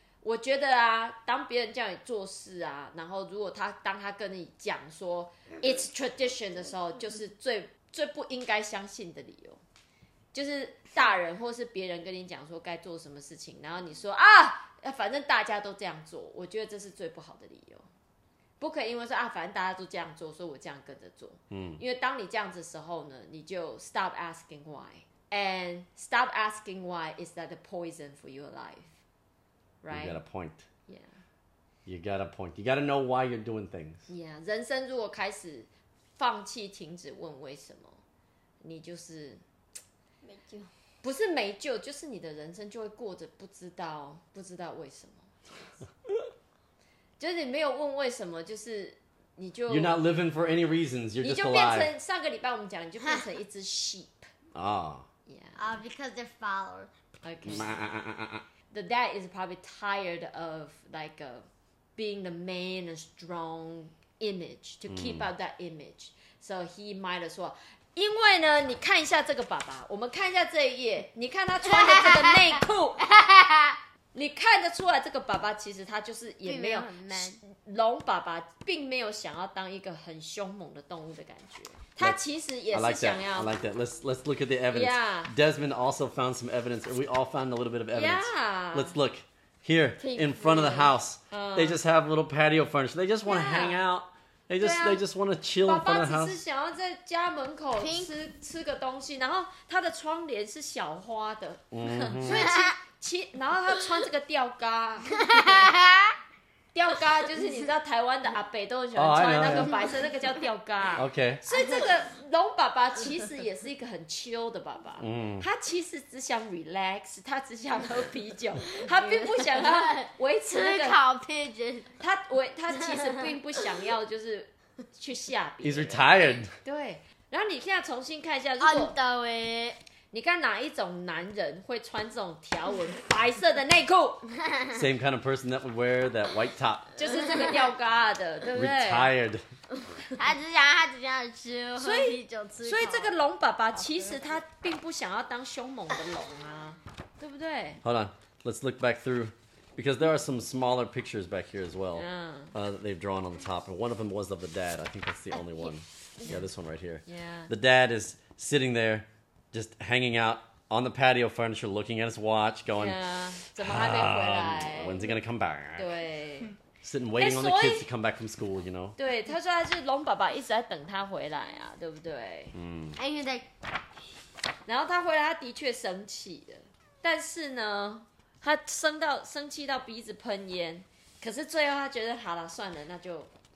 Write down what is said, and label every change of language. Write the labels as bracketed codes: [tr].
[zh] 我觉得啊，当别人叫你做事啊，然后如果他跟你讲说 [en] it's tradition [zh] 的时候，就是最最不应该相信的理由，就是大人或是别人跟你讲说该做什么事情，然后你说啊，反正大家都这样做，我觉得这是最不好的理由。不可以因为说啊，反正大家都这样做，所以我这样跟着做。因为当你这样子的时候呢，你就 [en] stop asking why and stop asking why is that a poison for your life, right? You got a point. Yeah. You got a point. You got to know why you're doing things. Yeah. [zh] 人生如果开始放弃、停止问为什么，你就是没救。不是没救，就是你的人生就会过着不知道为什么。就是你没有问为什么，就是你就 [en] You're not living for any reasons. You're just alive. [zh] 你就变成上个礼拜我们讲，你就变成一只 sheep. Ah. [en] Yeah. Because they're followers. Okay. The dad is probably tired of like being the main and strong image to keep up that image. So he might as well. [zh] 因为呢，你看一下这个爸爸，我们看一下这一页，你看他穿的这个内裤。你看得出来这个爸爸其实他就是也没有龙爸爸并没有想要当一个很凶猛的动物的感觉，他其实也是想要 [en] I like that. Let's look at the evidence. Yeah. Desmond also found some evidence. We all found a little bit of evidence. Yeah. Let's look. Here, in front of the house, they just have little patio furniture. They just want to hang out. They just want to chill in front of the house. [zh] 爸爸只是想要在家门口吃个东西，然后他的窗帘是小花的，然后他穿这个吊嘎，吊嘎就是你知道台湾的阿伯都很喜欢穿那个白色，那个叫吊嘎。 [en] OK， [zh] 所以这个龙爸爸其实也是一个很 chill 的爸爸。他其实只想 relax， 他只想喝啤酒，他并不想要维持那个烤 pigeon。他其实并不想要就是去吓别人。 [en] He's retired。 [zh] 对，然后你现在重新看一下，如果。你看哪一种男人会穿这种条纹白色的内裤 [en] ？Same kind of person that would wear that white top. [zh] 就是这个吊嘎的，对不对 [en] ？Retired. [zh] 他只想吃喝啤酒吃烤。所以这个龙爸爸其实他并不想要当凶猛的龙啊，对不对 [en] ？Hold on, let's look back through, because there are some smaller pictures back here as well. Yeah. That they've drawn on the top, and one of them was of the dad. I think that's the only one. Yeah, this one right here. Yeah. The dad is sitting there. Just hanging out on the patio furniture, looking at his watch, going, [zh] yeah, 怎么还没回来？ [en] When's he gonna come back? [zh] 对 [en] Sitting waiting on the kids to come back from school, you know? [zh] 对他说他是龙爸爸一直在等他回来啊对不对因为在然后他回来他的确生气了但是呢他生气到鼻子喷烟可是最后他觉得好了算了那就